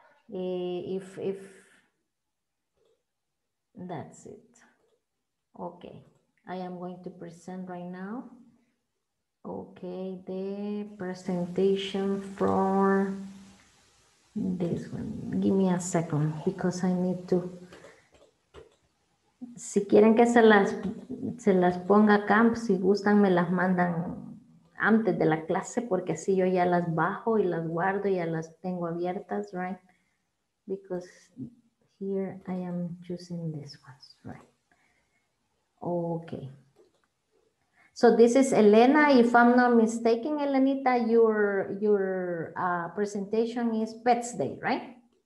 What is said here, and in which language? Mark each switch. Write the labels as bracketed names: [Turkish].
[English] If that's it. Okay. I am going to present right now. Okay, the presentation for this one. Give me a second because I need to. [Spanish] Si quieren que se las ponga camp, si gustan me las mandan antes de la clase porque así yo ya las bajo y las guardo y ya las tengo abiertas, right? [English] Because here I am choosing this one, right? Okay. So this is Elena. If I'm not mistaken, Elenita, your presentation is Pets Day, right?